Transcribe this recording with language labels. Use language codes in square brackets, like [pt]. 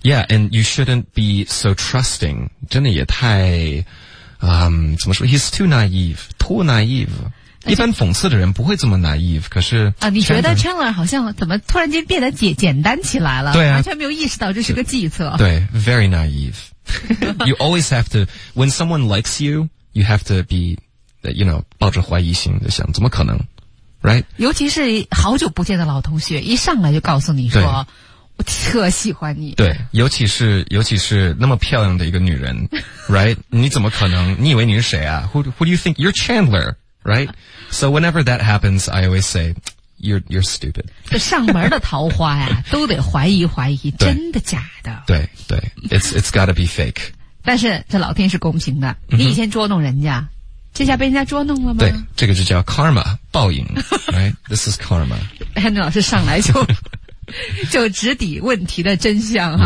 [en] Yeah, and you shouldn't be so trusting. [zh] 真的也太怎么说 [en] ,he's too naive, too naive. [zh] 一般讽刺的人不会这么 naive, 可是。啊，你觉得 Chandler 好像怎么突然间变得简单起来了。对啊，完全没有意识到这是个计策。 [en] 对， very naive. You always have to, when someone likes you, you have to be,you know, [zh] 抱着怀疑心的想怎么可能 [en] right? [zh] 尤其是好久不见的老同学一上来就告诉你说我特喜欢你。对，尤其是那么漂亮的一个女人 right? 你怎么可能，你以为你是谁啊？ [en] who do you think? You're Chandler, right? So whenever that happens, I always say, you're stupid. [zh] 这上门的桃花呀都得怀疑真的假的。 [en] 对对， it's gotta be fake. [zh] 但是这老天是公平的，你以前捉弄人家这下被人家捉弄了吗？对，这个就叫 karma, 报应。 [en] Right? This is karma. [zh] Henry 老师上来就直抵问题的真相哈。